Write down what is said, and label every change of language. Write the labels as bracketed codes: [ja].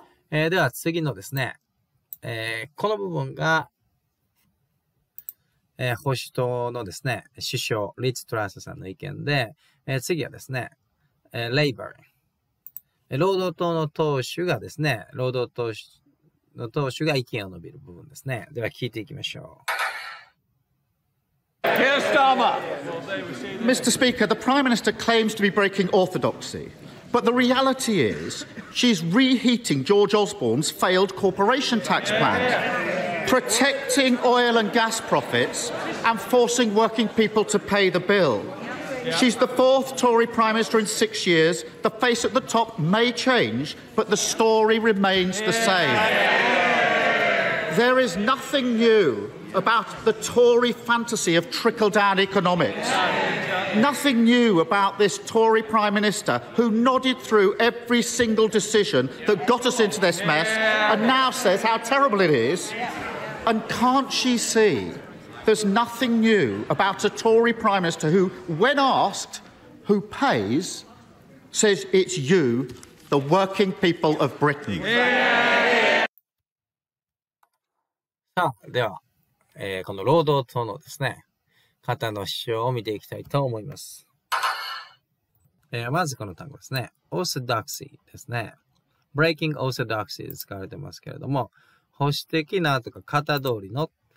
[ja] では次のですね、この部分が、保守党のですね、首相、リッツ・トラスさんの意見で、次はですね、レイバー。労働党の党首がですね、労働党の党首が意見を述べる部分ですね。では聞いていきましょう。 [en] Mr. Speaker, the Prime Minister claims to be breaking orthodoxy, but the reality is she's reheating George Osborne's failed corporation tax plan, protecting oil and gas profits and forcing working people to pay the bill. She's the fourth Tory Prime Minister in 6 years. The face at the top may change, but the story remains the same. There is nothing newabout the Tory fantasy of trickle-down economics. Yeah, yeah, yeah, yeah. Nothing new about this Tory Prime Minister who nodded through every single decision that got us into this mess and now says how terrible it is. And can't she see there's nothing new about a Tory Prime Minister who, when asked who pays, says it's you, the working people of Britain. Yeah, yeah, yeah. Oh, there are. [ja] この労働党のですね、方の主張を見ていきたいと思います。まずこの単語ですね。orthodoxy ですね。 [en] breaking orthodoxy [ja] で使われてますけれども、保守的なとか型通りの。